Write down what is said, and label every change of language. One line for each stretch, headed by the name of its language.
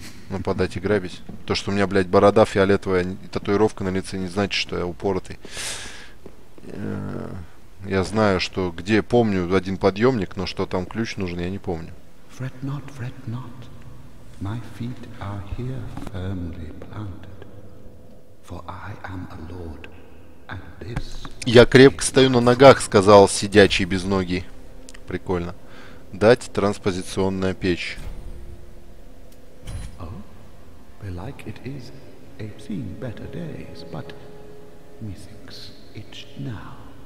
Russian: Нападать и грабить. То, что у меня, блядь, борода фиолетовая и татуировка на лице, не значит, что я упоротый. Я знаю, что где, помню один подъемник, но что там ключ нужен, я не помню.
English: Fret not. My feet are here firmly planted. For I am a lord, and this...
Russian: Я крепко стою на ногах, сказал сидячий без ноги. Прикольно. Дать транспозиционная печь.
English: Oh, belike it is. I've seen better days, but methinks it now.